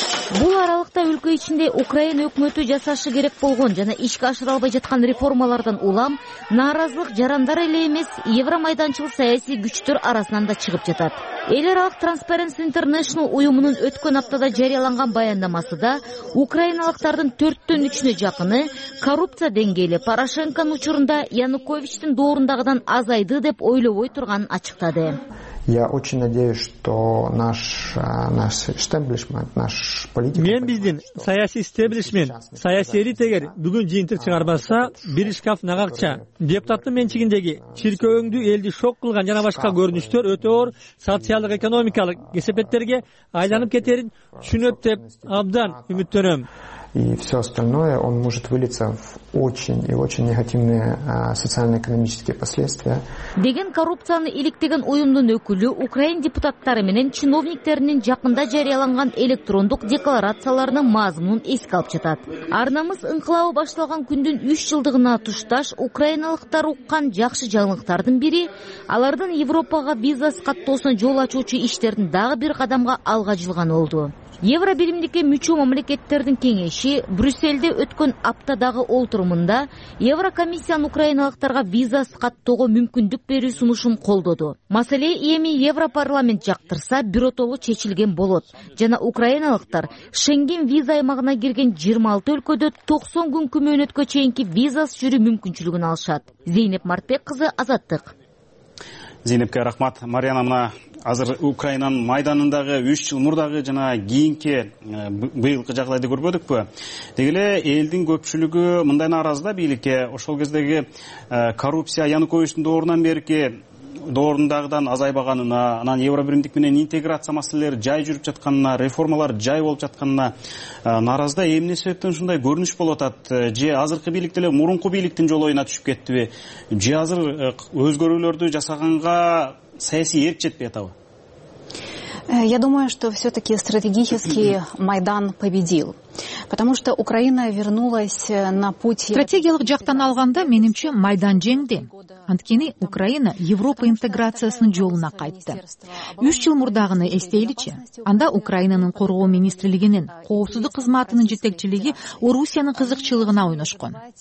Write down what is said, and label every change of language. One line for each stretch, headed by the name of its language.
Kyrgyz: Бул аралыкта өлкө ичинде Украина өкмөтү жасашы керек болгон жана ишке ашыра албай жаткан реформалардан улам нааразылык жарандар эле эмес, Евромайданчыл саясий күчтөр арасынан да чыгып жатат. Эл аралык Transparency International уюмунун өткөн аптада жарыяланган баяндамасында украиналыктардын 1/4 жакыны коррупция деңгээли Порошенконун учурунда Януковичтин доорундагыдан азайды деп ойлобой турганын ачыктады.
Russian: Я очень надеюсь, что наш истеблишмент, наш политик.
Kyrgyz: Мен биздин саясий истеблишмент, саясий элита эгер бүгүн жыйынтык чыгарбаса, бир шкаф нагакча, депутаттын менчигиндеги чиркөөңдү элди шок кылган жана башка көрүнүштөр өтө оор социалдык экономикалык кесепеттерге айланып кетерин түшүнөт деп абдан үмүттөнөм.
Russian: И все остальное он может вылиться в очень и очень негативные социально-экономические последствия.
Kyrgyz: Деген коррупцияны иликтеген уюмдун өкүлү украин депутаттары менен чиновниктеринин жакында жарыяланган электрондук декларацияларынын мазмунун эске алып жатат. Арнамыз инкылабы башталган күндүн 3 жылдыгына туташ украиналыктар уккан жакшы жаңылыктардын бири алардын Европага визасыз каттоосуна жол ачуучу иштердин дагы бир кадамга алга жылганы болду. Евробиримдике мүчү мамлекеттердин кеңеши Брюссельде өткөн аптадагы олтурумунда Еврокомиссиянын украиналыктарга визасыз каттоого мүмкүндүк берүү сунушун колдоду. Маселе эми Европарламент жактырса биротоло чечилген болот жана украиналыктар Шенген виза аймагына кирген 26 өлкөдө 90 күнкү мөөнөткө чейинки визасыз жүрүү мүмкүнчүлүгүн алышат. Зейнеп Мартбек кызы, Азаттык. Зейнепке рахмат. Марьяна, мына азыр Украинанын майданындагы 3 жыл мурдагы жана кийинки быйылкы жагдайды көрбөдүкпү? Деги эле элдин көпчүлүгү мындай нааразыда бийликке. Ошол кездеги коррупция Януковичтин доорунан берки доорундагыдан азайбаганына, анан Евробиримдик менен интеграция маселелери жай жүрүп жатканына, реформалар жай болуп жатканына нааразыда. Эмне себептен ушундай көрүнүш болуп атат? Же азыркы бийлик деле мурунку бийликтин жол оюна түшүп кеттиби? Же азыр өзгөрүүлөрдү жасаганга саясий эрк жетпей атабы?
Russian: Я думаю, что все-таки стратегический Майдан победил. Потому что Украина вернулась на путь...
Kyrgyz: Стратегиялык жактан алганда, менимче, Майдан жеңди. Анткени Украина Европа интеграциясынын жолуна кайтты. 3 жыл мурдагыны эстейличи, анда Украинанын коргоо министрлигинин, коопсуздук кызматынын жетекчилиги Орусиянын кызыкчылыгына ойношкон.